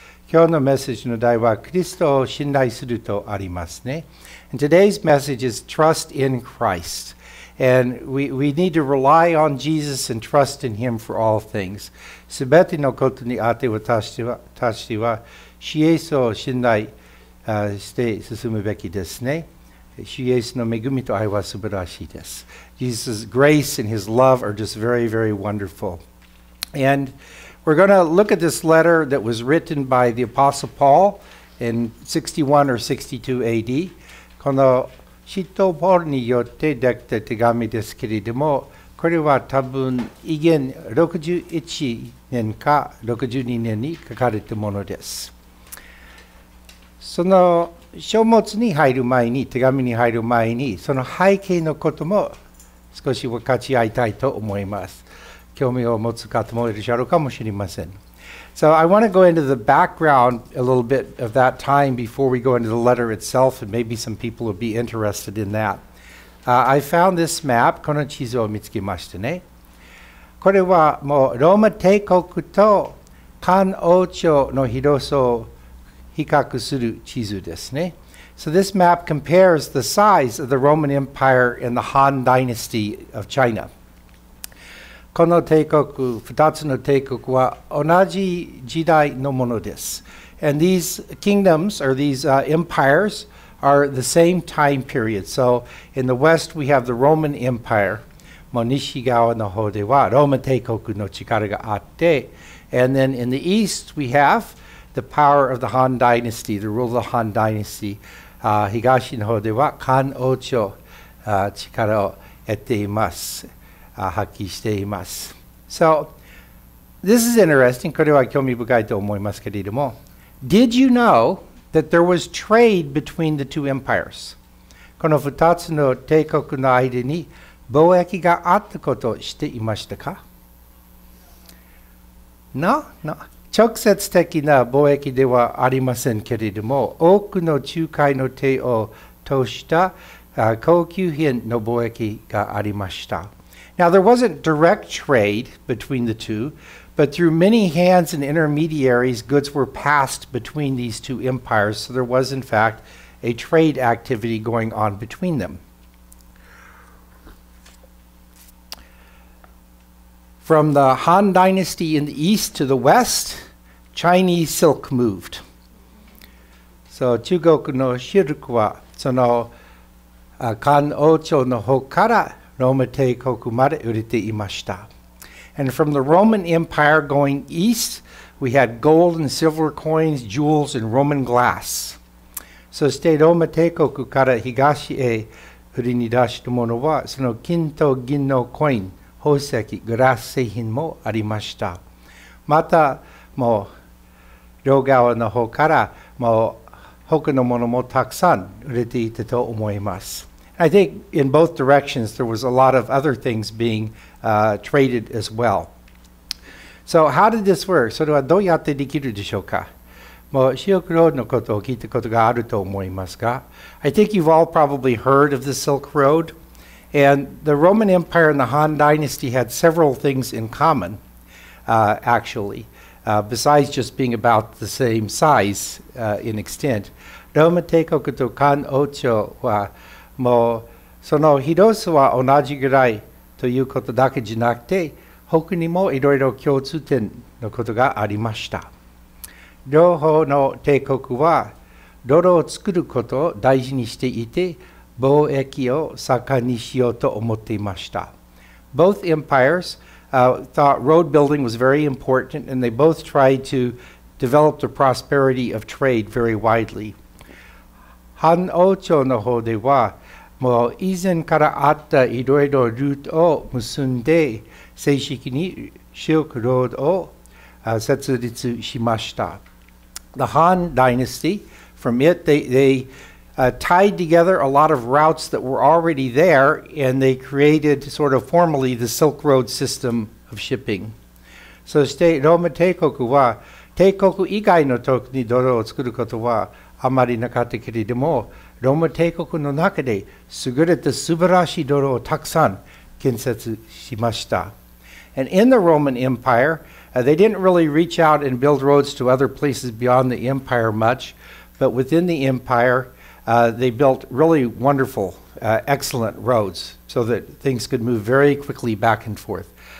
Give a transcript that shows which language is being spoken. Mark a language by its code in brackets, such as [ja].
[ja] 今日のメッセージの題はキリストを信頼するとありますね。 [en] And today's message is trust in Christ. And we need to rely on Jesus and trust in Him for all things. [ja] すべてのことにあって私たちは、主イエスを信頼して進むべきですね。主イエスの恵みと愛は素晴らしいです。 [en] Jesus' grace and His love are just very, very wonderful. And we're going to look at this letter that was written by the Apostle Paul in 61 or 62 AD. [ja] この使徒ポールによってできた手紙ですけれども、これは多分、紀元61年か62年に書かれたものです。その書物に入る前に、手紙に入る前に、その背景のことも少し分かち合いたいと思います。興味を持つ方もいらっしゃるかもしれません。 [en] So I want to go into the background a little bit of that time before we go into the letter itself, and maybe some people will be interested in that. I found this map. [ja] この地図を見つけましたね。これはもうローマ帝国と漢王朝の広さを比較する地図ですね。 [en] So this map compares the size of the Roman Empire and the Han Dynasty of China. [ja] この帝国、二つの帝国は同じ時代のものです。 [en] And these kingdoms, or these empires, are the same time period. So, in the west, we have the Roman Empire. [ja] もう西側の方ではローマ帝国の力があって。 [en] And then in the east, we have the power of the Han Dynasty, the rule of the Han Dynasty. [ja] 東の方では漢王朝、力を得ています。発揮しています。 [en] So, this is interesting. [ja] これは興味深いと思いますけれども。 [en] Did you know that there was trade between the two empires? [ja] この二つの帝国の間に貿易があったことを知っていましたか? [en] No, no. [ja] 直接的な貿易ではありませんけれども、多くの仲介の手を通した高級品の貿易がありました。 [en] Now, there wasn't direct trade between the two, but through many hands and intermediaries, goods were passed between these two empires. So there was, in fact, a trade activity going on between them. From the Han Dynasty in the east to the west, Chinese silk moved. [ja] So, 中国のシルクは、その漢王朝の方からローマ帝国まで売れていました。 [en] And from the Roman Empire going east, we had gold and silver coins, jewels and Roman glass. [ja] そしてローマ帝国から東へ売りに出したものは、その金と銀のコイン、宝石、グラス製品もありました。また、もう両側の方から、もう他のものもたくさん売れていたと思います。 [en] I think in both directions there was a lot of other things being traded as well. So how did this work? [ja] それはどうやってできるでしょうか? もう Silk Road のことを聞いたことがあると思いますが。 [en] I think you've all probably heard of the Silk Road. And the Roman Empire and the Han Dynasty had several things in common, actually, besides just being about the same size in extent. [ja] ローマ帝国と漢王朝はもうその広さは同じぐらいということだけじゃなくて他にもいろいろ共通点のことがありました両方の帝国は泥を作ることを大事にしていて貿易を盛んにしようと思っていました [en] Both empires thought road building was very important and they both tried to develop the prosperity of trade very widely [ja] 漢王朝の方ではもう以前からあったいろいろルートを結んで正式にシルクロードを設立しました。 [en] The Han Dynasty, from it, they tied together a lot of routes that were already there and they created sort of formally the Silk Road system of shipping. [ja] そしてローマ帝国は帝国以外のところに道路を作ることはあまりなかったけれどもローマ帝国の中で優れた素晴らしい道路をたくさん建設しました。 [en] And in the Roman Empire, They didn't really reach out and build roads to other places beyond the empire much, but within the empire, they built really wonderful, excellent roads so that things could move very quickly back and forth.